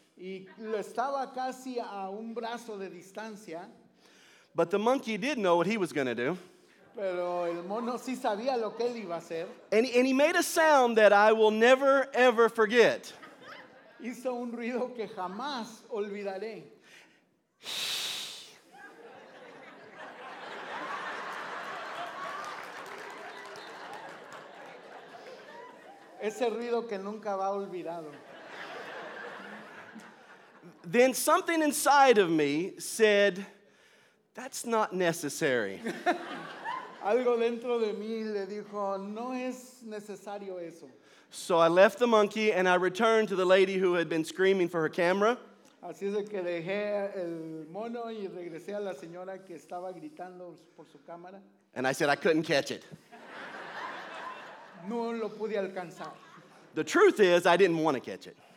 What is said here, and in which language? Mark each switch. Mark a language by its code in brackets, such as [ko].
[es] Y lo estaba casi a un brazo de distancia. [en] But the monkey did know what he was going to do. [es] Pero el mono sí sabía lo que él iba a hacer. [en] And he made a sound that I will never, ever forget. [es] Hizo un ruido que jamás olvidaré. Ese ruido que nunca va olvidado. [en] Then something inside of me said, that's not necessary. [es] Algo dentro de mí le dijo, no es necesario eso. [en] So I left the monkey and I returned to the lady who had been screaming for her camera. [es] Así es que dejé el mono y regresé a la señora que estaba gritando por su cámara. [en] And I said, I couldn't catch it. [es] No lo pude alcanzar. [en] The truth is, I didn't want to catch it.